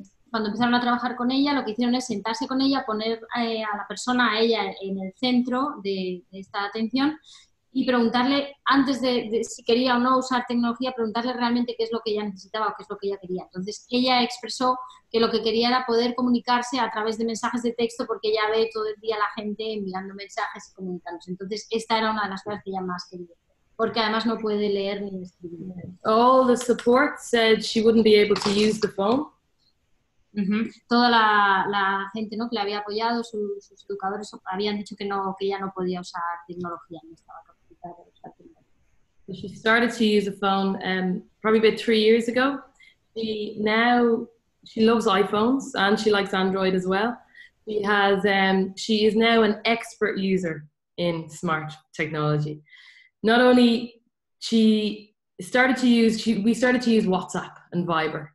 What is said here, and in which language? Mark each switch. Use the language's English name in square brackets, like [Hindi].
[Spanish] cuando empezaron a trabajar con ella, lo que hicieron es sentarse con ella, poner a la persona, a ella, en el centro de esta atención y preguntarle, antes de si quería o no usar tecnología, preguntarle realmente qué es lo que ella necesitaba o qué es lo que ella quería. Entonces, ella expresó que lo que quería era poder comunicarse a través de mensajes de texto porque ella ve todo el día la gente enviando mensajes y comunicándose. Entonces, esta era una de las cosas que ella más quería, porque además no puede leer ni escribir. [English] All the support said she wouldn't be able to use the phone. Uh-huh. [Spanish] Toda la gente, ¿no?, que le había apoyado, sus educadores, habían dicho que no, que ella no podía usar tecnología, no estaba capacitada para usar tecnología. [English] She started to use a phone probably about 3 years ago. She loves iPhones and she likes Android as well. She is now an expert user in smart technology. Not only we started to use WhatsApp and Viber.